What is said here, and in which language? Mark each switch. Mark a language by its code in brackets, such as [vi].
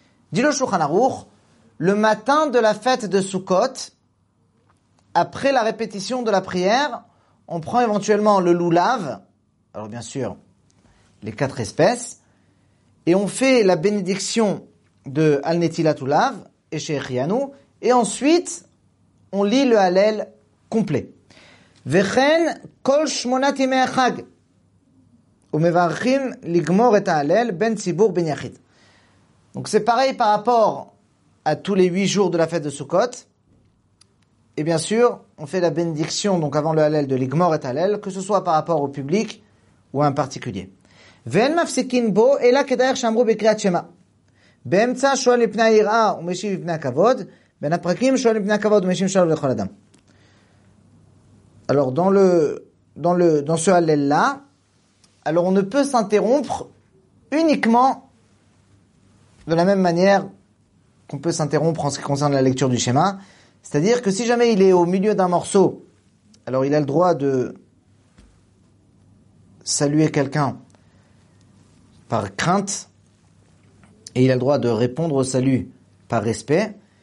[fr] Dit le Shulchan Aruch, le matin de la fête de Sukkot, après la répétition de la prière, on prend éventuellement le lulav, alors bien sûr, les quatre espèces, et on fait la bénédiction de al netilat ulav, et shechianu, et ensuite, on lit le halel complet. [he] וכן כל שמונת ימי החג ומברכים לגמור את ההלל בין ציבור בין יחיד. [fr] Donc c'est pareil par rapport à tous les 8 jours de la fête de Sukkot. Et bien sûr, on fait la bénédiction donc avant le halel de ligmor et halel, que ce soit par rapport au public ou à un particulier. [he] ואין מפסיקים בו אלא כדרך שאמרו בקריאת שמע. באמצע שואל לפני היראה ומשיב לפני הכבוד. בין הפרקים שואל לפני הכבוד ומשיב שואל לכל אדם. [fr] Alors, dans ce hallel-là, alors on ne peut s'interrompre uniquement de la même manière qu'on peut s'interrompre en ce qui concerne la lecture du schéma. C'est-à-dire que si jamais il est au milieu d'un morceau, alors il a le droit de saluer quelqu'un par crainte et il a le droit de répondre au salut par respect.